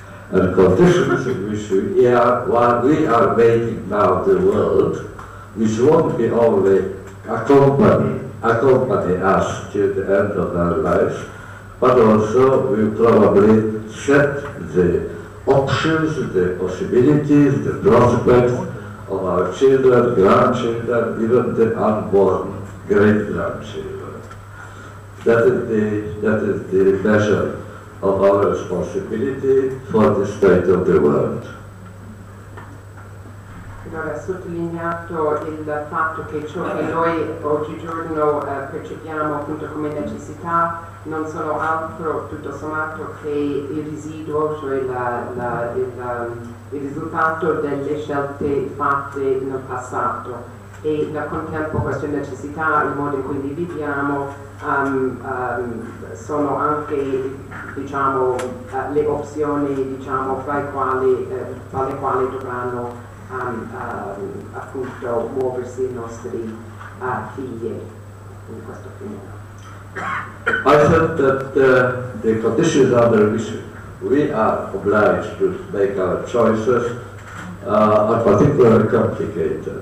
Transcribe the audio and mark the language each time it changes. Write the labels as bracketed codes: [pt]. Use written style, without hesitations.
[en] And conditions in which we are making now the world, which won't be only accompany us to the end of our lives, but also will probably set the options, the possibilities, the prospects of our children, grandchildren, even the unborn great-grandchildren. That is the measure of our responsibility for the state of the world. [it] Allora, ha sottolineato il fatto che ciò che noi oggigiorno percepiamo appunto come necessità non sono altro, tutto sommato, che il residuo, cioè il risultato delle scelte fatte nel passato. E nel contempo queste necessità, il modo in cui li viviamo, sono anche, diciamo, le opzioni, diciamo, fra le quali dovranno appunto muoversi i nostri figli in questo film. [en] I thought that the conditions under which we are obliged to make our choices are particularly complicated.